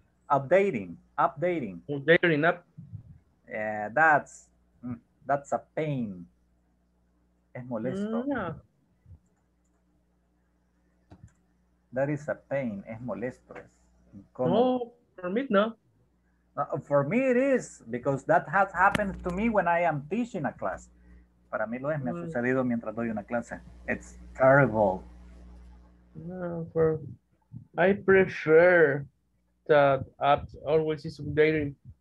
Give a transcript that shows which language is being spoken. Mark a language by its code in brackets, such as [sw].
[en] Updating app. Yeah, that's a pain. [es] Es molesto. [en] That is a pain. [es] Es molesto. ¿Cómo? [en] No, for me, no. For me, it is, because that has happened to me when I am teaching a class. [es] Para mí lo es. Me ha sucedido mientras doy una clase. [en] It's terrible. No, for I prefer that apps always is updating.